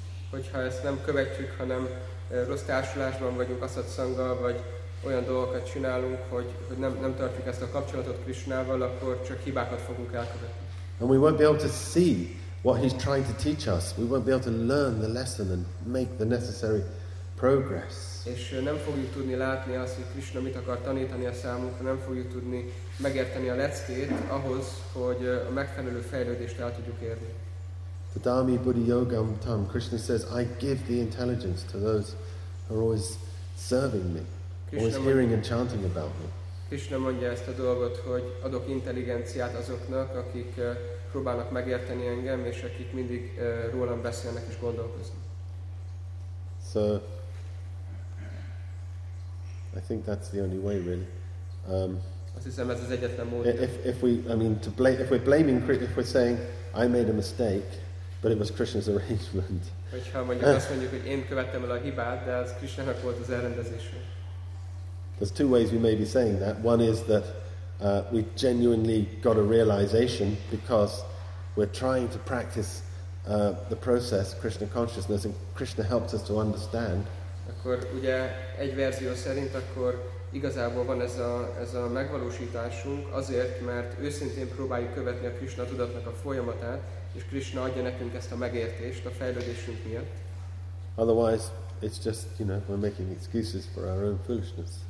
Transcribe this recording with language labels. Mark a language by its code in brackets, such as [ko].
[hu] Hogyha ezt nem követjük, hanem rossz társulásban vagyunk asat sangha, vagy olyan dolgokat csinálunk, hogy nem tartjuk ezt a kapcsolatot Krishnával, akkor csak hibákat fogunk elkövetni. [en] And we won't be able to see what he's trying to teach us. We won't be able to learn the lesson and make the necessary progress. [hu] És nem fogjuk tudni látni azt, hogy Krishna mit akar tanítani a számunkra, nem fogjuk tudni megérteni a leckét ahhoz, hogy a megfelelő fejlődést el tudjuk érni. [sa] Tadami buddhi yogam tam. [en] Krishna says, I give the intelligence to those who are always serving me, always hearing and chanting about me. [hu] Krishna mondja ezt a dolgot, hogy adok intelligenciát azoknak, akik próbálnak megérteni engem, és akik mindig rólam beszélnek és gondolkoznak. [en] So, I think that's the only way, really. [hu] Azt hiszem, ez az egyetlen módja. [en] If we're saying I made a mistake, but it was Krishna's arrangement. [hu] Hogyha mondjuk azt mondjuk, hogy én követtem el a hibát, de az Krishnának volt az elrendezése. [en] There's two ways we may be saying that. One is that we genuinely got a realization because we're trying to practice the process, Krishna consciousness, and Krishna helps us to understand. [hu] Akkor ugye egy verzió szerint akkor igazából van ez a megvalósításunk azért, mert őszintén próbáljuk követni a Krishna tudatnak a folyamatát, és Krishna adja nekünk ezt a megértést a fejlődésünk miatt. [en] Otherwise, it's just, you know, we're making excuses for our own foolishness.